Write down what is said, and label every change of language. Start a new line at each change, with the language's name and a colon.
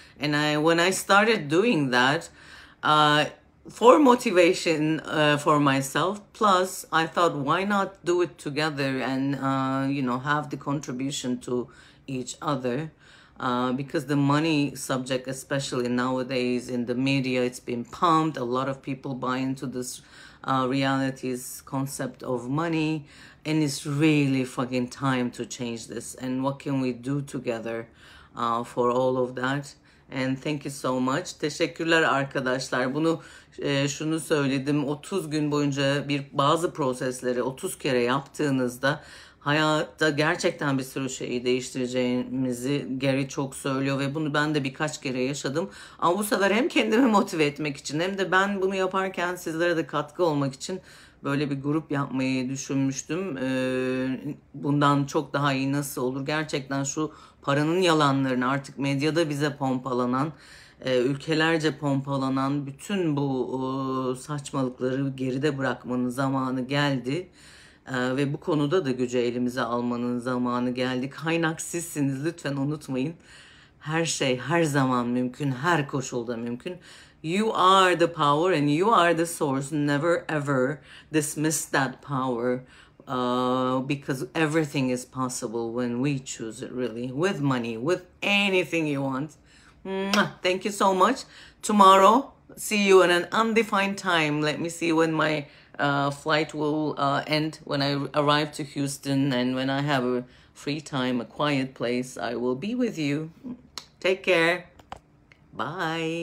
English: And when I started doing that, for motivation for myself, plus I thought, why not do it together and have the contribution to each other, because the money subject, especially nowadays in the media, it's been pumped. A lot of people buy into this reality's concept of money, and it's really fucking time to change this. And what can we do together for all of that? And thank you so much.
Turkish: Teşekkürler arkadaşlar. Bunu şunu söyledim. 30 gün boyunca bazı prosesleri 30 kere yaptığınızda hayatta gerçekten bir sürü şeyi değiştireceğimizi Gary çok söylüyor ve bunu ben de birkaç kere yaşadım. Ama bu sefer hem kendimi motive etmek için hem de ben bunu yaparken sizlere de katkı olmak için böyle bir grup yapmayı düşünmüştüm. Bundan çok daha iyi nasıl olur? Gerçekten şu paranın yalanlarını artık medyada bize pompalanan, ülkelerce pompalanan bütün bu saçmalıkları geride bırakmanın zamanı geldi. Ve bu konuda da gücü elimize almanın zamanı geldi. Kaynak sizsiniz, lütfen unutmayın. Her şey her zaman mümkün, her koşulda mümkün.
English: You are the power and you are the source. Never ever dismiss that power. Because everything is possible when we choose it, really, with money, with anything you want. Mwah! Thank you so much. Tomorrow, see you in an undefined time. Let me see when my flight will end, when I arrive to Houston, and when I have a free time, a quiet place, I will be with you. Take care. Bye.